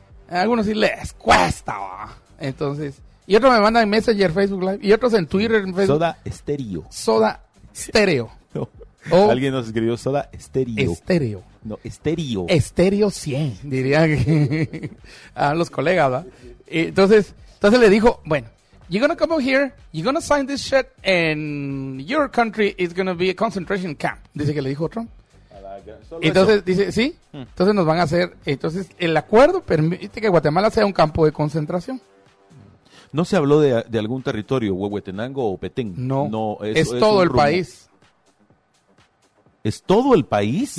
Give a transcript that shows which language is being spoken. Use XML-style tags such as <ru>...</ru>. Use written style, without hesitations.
<es>A algunos sí les cuesta, ¿va? Entonces. Y otros me mandan en Messenger, Facebook Live. Y otros en Twitter, en Facebook. Soda Estéreo. Soda Estéreo. No. Alguien nos escribió Soda Estéreo. Estéreo. No, Estéreo. Estéreo 100, diría que a los colegas, ¿va? Entonces le dijo, bueno.</es> <en>You're gonna come over here, you're gonna sign this shit, and your country is gonna be a concentration camp.</en> <es>Dice que le dijo Trump. Entonces, dice, sí, entonces nos van a hacer, entonces el acuerdo permite que Guatemala sea un campo de concentración. ¿No se habló de algún territorio, Huehuetenango o Petén? No es todo el país. ¿Es todo el país?</es>